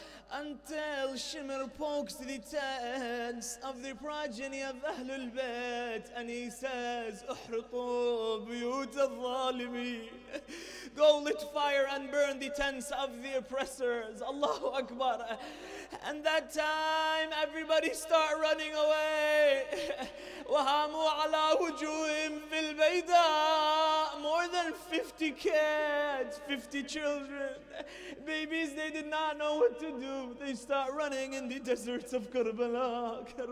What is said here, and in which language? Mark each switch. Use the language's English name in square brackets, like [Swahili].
[English] Until Shimr pokes the tents of the progeny of Ahlul Bayt and he says, [Arabic] احرقوا بيوت الظالمين. [English] Go lit fire and burn the tents of the oppressors. Allahu Akbar. And that time everybody start running away. [Arabic] وهاموا على وجوههم في البيداء. [English] More than 50 kids, 50 children, babies, they did not know what to do. They start running in the deserts of Karbala.